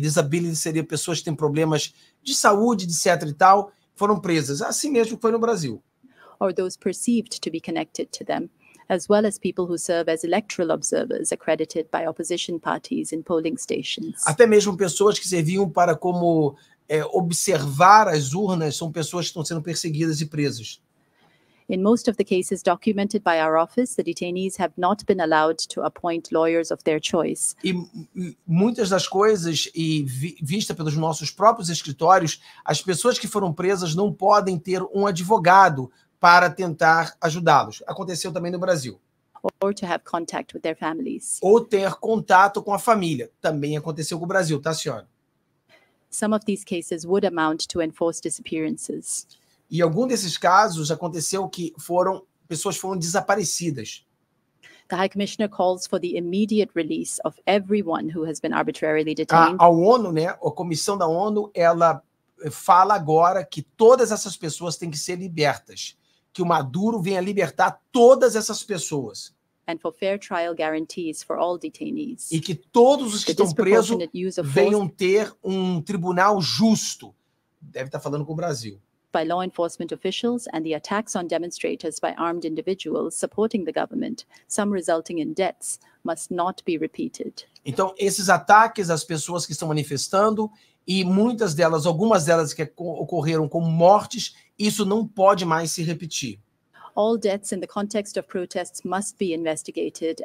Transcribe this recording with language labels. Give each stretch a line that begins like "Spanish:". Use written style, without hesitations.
Portuguese: Disability seria pessoas que têm problemas de saúde, etc. e tal, foram presas. Assim mesmo foi no Brasil.
English: Or those perceived to be connected to them. As well as people who serve as electoral observers accredited by opposition parties in polling stations.
Portuguese: Até mesmo pessoas que serviam para como observar as urnas são pessoas que estão sendo perseguidas e presas.
English: In most of the cases documented by our office, the detainees have not been allowed to appoint lawyers of their choice.
Portuguese: E muitas das coisas e vista pelos nossos próprios escritórios, as pessoas que foram presas não podem ter um advogado para tentar ajudá-los. Aconteceu também no Brasil.
English: Or to have contact with their families.
Portuguese: Ou ter contato com a família. Também aconteceu com o Brasil, tá, senhora?
English: Some of these cases would amount to enforced disappearances.
Portuguese: E algum desses casos aconteceu que pessoas foram desaparecidas.
English: The High Commissioner calls for the immediate release of everyone who has been arbitrarily detained.
Portuguese: A ONU, né, a comissão da ONU, ela fala agora que todas essas pessoas têm que ser libertas. Que o Maduro venha libertar todas essas pessoas.
English: And for fair trial guarantees for all detainees.
Portuguese: E que todos os que estão presos venham ter um tribunal justo. Deve estar falando com o Brasil.
English: By law enforcement officials and the attacks on demonstrators by armed individuals supporting the government, some resulting in deaths, must not be repeated.
Portuguese: Então, esses ataques às pessoas que estão manifestando e muitas delas, algumas delas que ocorreram com mortes, isso não pode mais se repetir.
English: All deaths in the context of protests must be investigated.